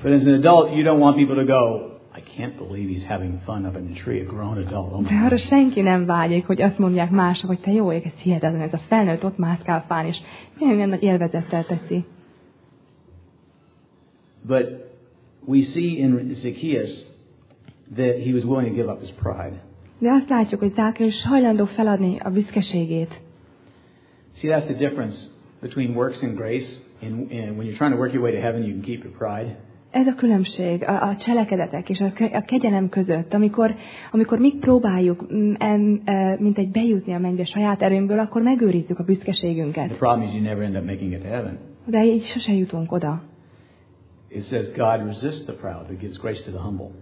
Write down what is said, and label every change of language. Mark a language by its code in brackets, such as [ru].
[en] But as an adult, you don't want people to go, I can't believe he's having fun up in the tree, a grown adult. Oh my. [hu] De arra senki nem vágyik, hogy azt mondják mások, hogy te jó ég, ez hihetetlen, ez a felnőtt ott mászkál fán, és milyen nagy élvezettel teszi. [en] But we see in Zacchaeus that he was willing to give up his pride. [hu] De azt látjuk, hogy Zacchaeus hajlandó feladni a büszkeségét. [en] See, that's the difference between works and grace. And when you're trying to work your way to heaven, you can keep your pride. [hu] Ez a különbség a cselekedetek és a kegyelem között, amikor mi próbáljuk mint egy bejutni a mennybe saját erőnkből, akkor megőrizzük a büszkeségünket. [en] The problem is you never end up making it to heaven. [hu] De így sose jutunk oda. [en] It says God resists the proud but gives grace to the humble.